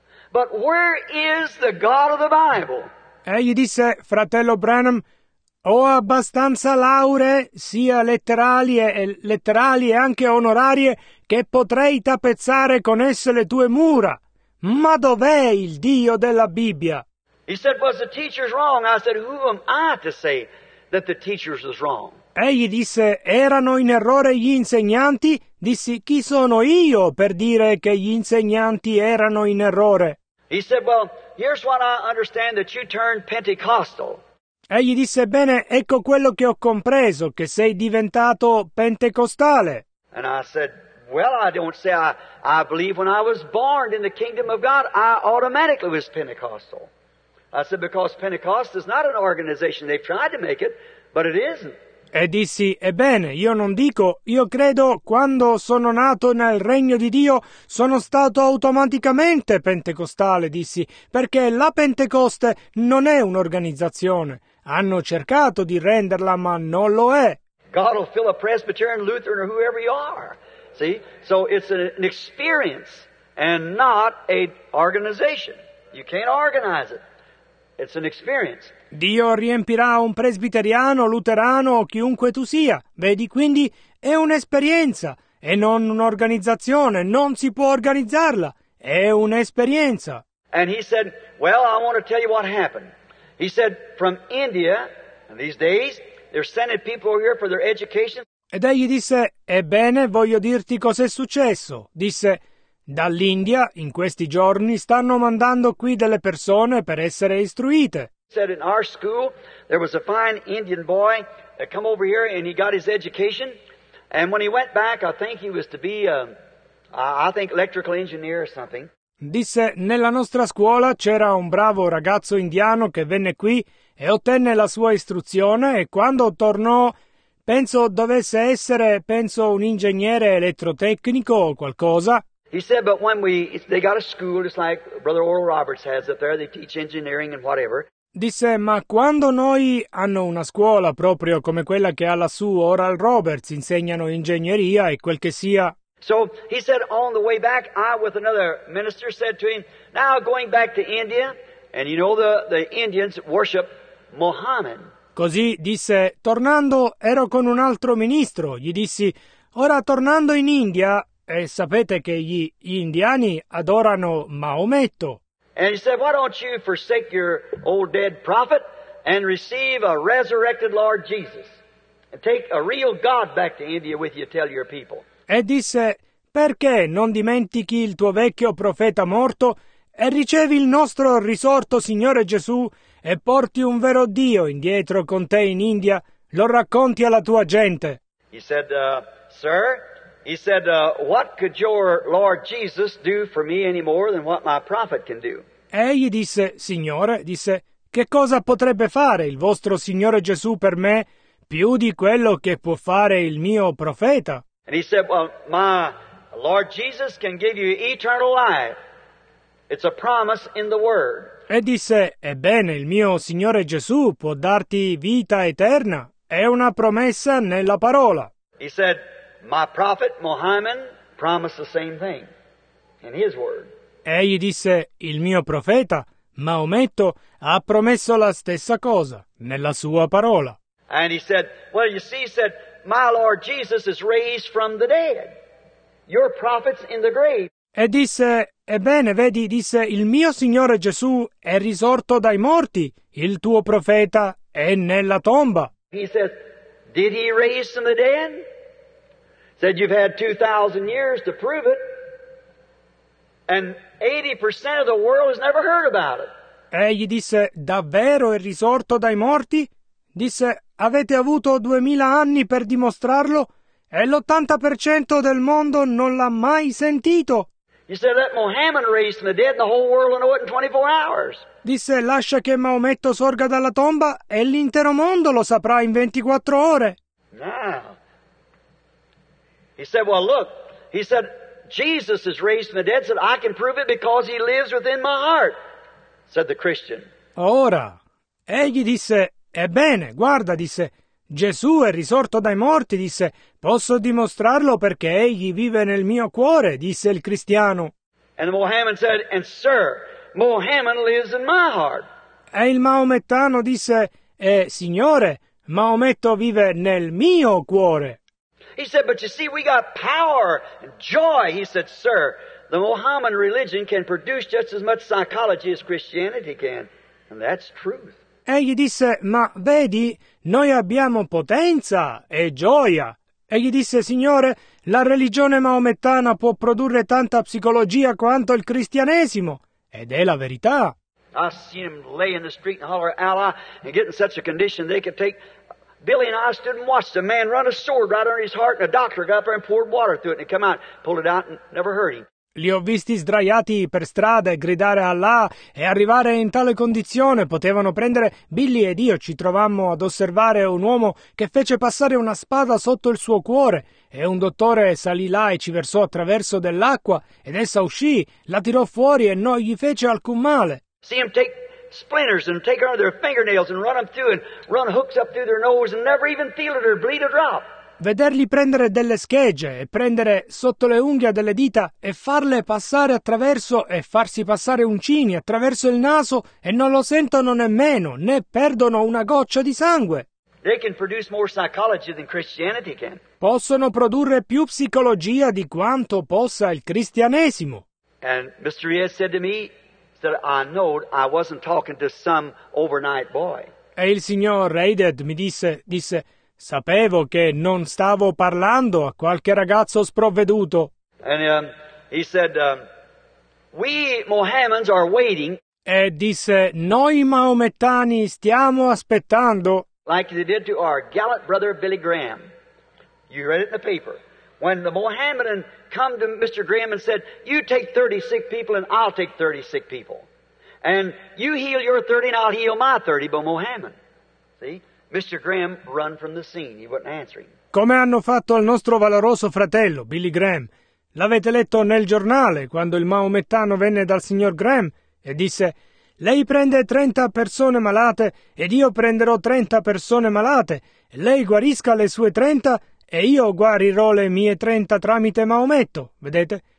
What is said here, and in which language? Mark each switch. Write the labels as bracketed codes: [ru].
[en] But where is the God of the Bible? [it] Egli disse, fratello Branham, ho abbastanza lauree, sia letterali e anche onorarie, che potrei tappezzare con esse le tue mura. Ma dov'è il Dio della Bibbia? [en] He said, was the teacher's wrong? I said, who am I to say that the teacher's is wrong? [it] Egli disse, erano in errore gli insegnanti? Dissi, chi sono io per dire che gli insegnanti erano in errore? [en] He said, well, here's what I understand that you turned Pentecostal. [it] Egli disse, bene, ecco quello che ho compreso, che sei diventato pentecostale. [en] And I said, well, I don't say I believe when I was born in the kingdom of God, I automatically was Pentecostal. I said, because Pentecost is not an organization. They've tried to make it, but it isn't. [it] E dissi, ebbene, io non dico, io credo, quando sono nato nel regno di Dio, sono stato automaticamente pentecostale, dissi, perché la Pentecoste non è un'organizzazione. Hanno cercato di renderla, ma non lo è. [en] God will fill a Presbyterian, Lutheran, or whoever you are. See? So it's an experience and not an organization. You can't organize it. It's an experience. [it] Dio riempirà un presbiteriano, luterano o chiunque tu sia. Vedi, quindi è un'esperienza e non un'organizzazione. Non si può organizzarla. È un'esperienza. [en] And he said, well, I want to tell you what happened. He said, from India, in these days, they're sending people here for their education. [it] Ed egli disse, ebbene, voglio dirti cos'è successo. Disse, dall'India, in questi giorni, stanno mandando qui delle persone per essere istruite. [en] Said in our school there was a fine Indian boy that come over here and he got his education, and when he went back I think he was to be I think electrical engineer or something. [it] Disse, nella nostra scuola c'era un bravo ragazzo indiano che venne qui e ottenne la sua istruzione, e quando tornò penso dovesse essere, penso, un ingegnere elettrotecnico o qualcosa. [en] He said, but when they got a school just like Brother Oral Roberts has up there, they teach engineering and whatever. [it] Disse, ma quando noi hanno una scuola proprio come quella che ha lassù Oral Roberts, insegnano ingegneria e quel che sia. [en] So he said, on the way back, I with another minister said to him, now going back to India, and you know the Indians worship Mohammed. [it] Così disse, tornando ero con un altro ministro, gli dissi, ora tornando in India, e sapete che gli indiani adorano Maometto. [en] And he said, why don't you forsake your old dead prophet and receive a resurrected Lord Jesus and take a real God back to India with you, tell your people. [it] E disse, perché non dimentichi il tuo vecchio profeta morto e ricevi il nostro risorto Signore Gesù e porti un vero Dio indietro con te in India, lo racconti alla tua gente. [en] He said, sir... He said, what could your Lord Jesus do for me any more than what my prophet can do? [it] Egli disse, Signore, disse, che cosa potrebbe fare il vostro Signore Gesù per me più di quello che può fare il mio profeta? [en] And he said, well, my Lord Jesus can give you eternal life. It's a promise in the Word. [it] E disse, ebbene, il mio Signore Gesù può darti vita eterna. È una promessa nella parola. [en] He said, my prophet Muhammad promised the same thing in his word. [it] Egli disse, il mio profeta Maometto ha promesso la stessa cosa nella sua parola. [en] And he said, well, you see, he said, my Lord Jesus is raised from the dead. Your prophet's in the grave. [it] E disse, ebbene, vedi, disse, il mio Signore Gesù è risorto dai morti. Il tuo profeta è nella tomba. [en] He said, did he raise from the dead? Said, you've had 2,000 years to prove it. And 80% of the world has never heard about it. [it] Egli disse, davvero è risorto dai morti? Disse, avete avuto 2,000 anni per dimostrarlo? E l'80% del mondo non l'ha mai sentito. [en] He said, let Muhammad raise from the dead, and the whole world will know it in 24 hours. [it] Disse, lascia che Maometto sorga dalla tomba e l'intero mondo lo saprà in 24 ore. [en] Now, he said, well, look, he said, Jesus is raised from the dead. Said, I can prove it because he lives within my heart, said the Christian. [it] Ora, egli disse, ebbene, guarda, disse, Gesù è risorto dai morti, disse, posso dimostrarlo perché egli vive nel mio cuore, disse il cristiano. [en] And Muhammad said, and sir, Muhammad lives in my heart. [it] E il maomettano disse, e signore, Maometto vive nel mio cuore. [en] He said, but you see, we got power and joy. He said, sir, the Muhammad religion can produce just as much psychology as Christianity can, and that's truth. [it] Egli disse, ma vedi, noi abbiamo potenza e gioia. Egli disse, signore, la religione maomettana può produrre tanta psicologia quanto il cristianesimo. Ed è la verità. [en] I seen them lay in the street and holler, Allah, and get in such a condition they could take... Billy and I stood and watched a man run a sword right under his heart, and a doctor got up there and poured water through it, and he came out, pulled it out, and never hurt him. [it] Li ho visti sdraiati per strada e gridare Allah e arrivare in tale condizione potevano prendere. Billy ed io ci trovammo ad osservare un uomo che fece passare una spada sotto il suo cuore e un dottore salì là e ci versò attraverso dell'acqua ed essa uscì, la tirò fuori e non gli fece alcun male. [en] See him take splinters and take her under their fingernails and run them through and run hooks up through their nose and never even feel it or bleed a drop. [it] Vederli prendere delle schegge e prendere sotto le unghie delle dita e farle passare attraverso e farsi passare uncini attraverso il naso e non lo sentono nemmeno, né perdono una goccia di sangue. [en] They can produce more psychology than Christianity can. [it] Possono produrre più psicologia di quanto possa il cristianesimo. [en] And Mr. Yes said to me that I know I wasn't talking to some overnight boy. [it] E il signor Raided mi disse sapevo che non stavo parlando a qualche ragazzo sprovveduto. [en] And he said, we Mohammedans are waiting. [it] E disse, noi maomettani stiamo aspettando. [en] Like they did to our gallant brother Billy Graham. You read it in the paper. When the Mohammedan come to Mr. Graham and said, you take 30 sick people and I'll take 30 sick people. And you heal your 30 and I'll heal my 30, but Mohammed. See? Mr. Graham run from the scene. He wasn't answering. [it] Come hanno fatto al nostro valoroso fratello, Billy Graham? L'avete letto nel giornale, quando il maomettano venne dal signor Graham e disse, lei prende 30 persone malate ed io prenderò 30 persone malate. Lei guarisca le sue 30 e io guarirò le mie 30 tramite Maometto. Vedete?